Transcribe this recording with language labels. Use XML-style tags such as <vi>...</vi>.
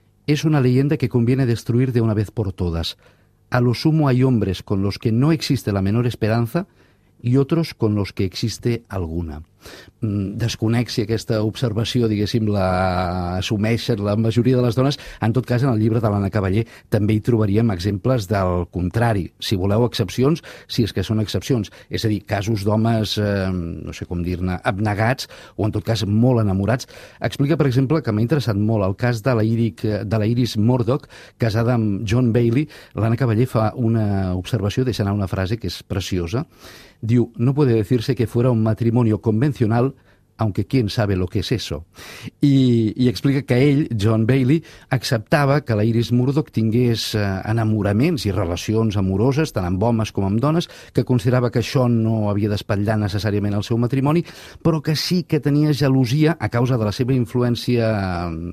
<es>Es una leyenda que conviene destruir de una vez por todas. A lo sumo hay hombres con los que no existe la menor esperanza y otros con los que existe alguna.</es> <ca>desconec si aquesta observació, diguéssim, la assumeixen la majoria de les dones. En tot cas, en el llibre de l'Anna Cavaller també hi trobaríem exemples del contrari. Si voleu, excepcions, si és que són excepcions. És a dir, casos d'homes, no sé com dir-ne, abnegats, o en tot cas molt enamorats. Explica, per exemple, que m'ha interessat molt el cas de la Iris Murdoch, casada amb John Bailey. L'Anna Cavaller fa una observació, deixa anar una frase que és preciosa.</ca> <es>Diu, no puede decirse que fuera un matrimonio convencional, aunque quién sabe lo que es eso.</es> <ca>I explica que ell, John Bailey, acceptava que la Iris Murdoch tingués enamoraments i relacions amoroses, tant amb homes com amb dones, que considerava que això no havia d'espatllar necessàriament el seu matrimoni, però que sí que tenia gelosia a causa de la seva influència</ca>